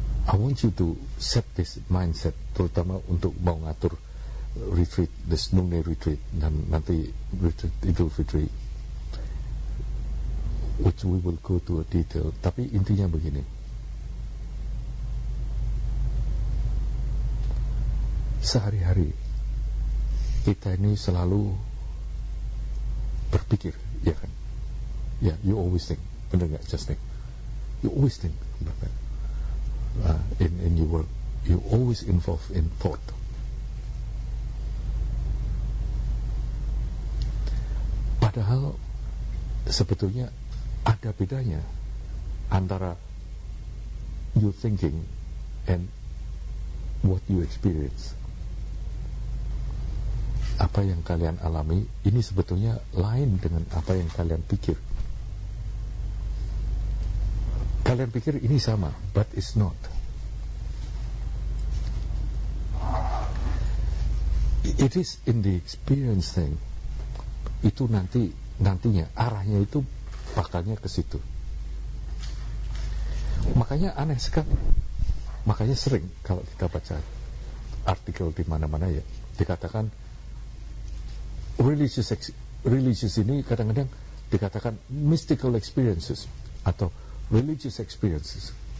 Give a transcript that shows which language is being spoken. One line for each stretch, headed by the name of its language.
English: I want you to set this mindset,
Indonesian: terutama untuk mau ngatur retreat,
English: this noonday retreat,
Indonesian: dan nanti retreat Idul Fitri,
English: which we will go to a detail.
Indonesian: Tapi intinya begini, sehari-hari kita ini selalu berpikir, ya kan?
English: Yeah, you always think,
Indonesian: benar nggak,
English: just think. You always think,
Indonesian: benar.
English: In your work, you always involve in thought.
Indonesian: Padahal sebetulnya ada bedanya antara
English: you thinking and what you experience.
Indonesian: Apa yang kalian alami ini sebetulnya lain dengan apa yang kalian pikir. Kalian pikir ini sama,
English: but it's not. It is in the experience thing.
Indonesian: Itu nantinya arahnya itu bakalnya ke situ. Makanya aneh sekali. Makanya sering kalau kita baca artikel di mana-mana ya, dikatakan religious ini kadang-kadang dikatakan mystical experiences atau religious experiences.